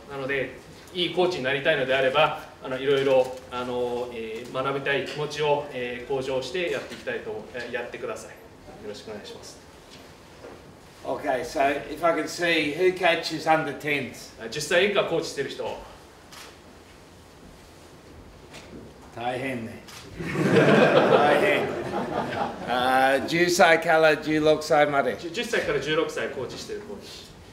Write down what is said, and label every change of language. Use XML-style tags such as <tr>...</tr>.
<ja>なのでいいコーチになりたいのであれば、いろいろ学びたい気持ちを向上してやっていきたいと、やってください。よろしくお願いします。</ja> <en>Okay, so if I can see who coaches under 10s?</en> <ja>実際以下コーチしてる人。大変ね。大変。10歳から16歳まで。 10歳から16歳コーチしてるコーチ。</ja>